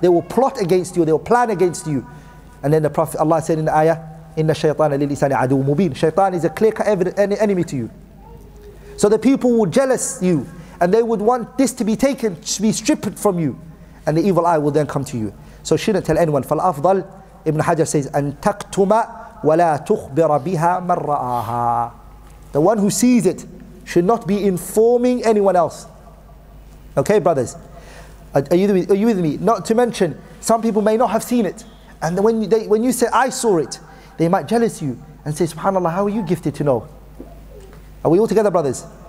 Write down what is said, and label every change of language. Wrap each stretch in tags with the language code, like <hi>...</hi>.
<en>They will plot against you, they will plan against you. And then the Prophet, Allah said in the ayah,</en> <ar>إِنَّ الشَّيْطَانَ لِلْإِسَانِ عَدُوٌ مُبِينٌ.</ar> <en>Shaytan is a clear enemy to you. So the people will jealous you, and they would want this to be taken, to be stripped from you. And the evil eye will then come to you. So shouldn't tell anyone.</en> <ar>فَالْأَفْضَلْ, Ibn Hajar says, أَن تَكْتُمَ وَلَا تُخْبِرَ بِهَا مَنْ رَآهَا.</ar> <en>The one who sees it should not be informing anyone else. Okay, brothers, are you with me? Not to mention, some people may not have seen it. And when you say, I saw it, they might jealous you and say, SubhanAllah, how are you gifted to know? Are we all together, brothers?</en>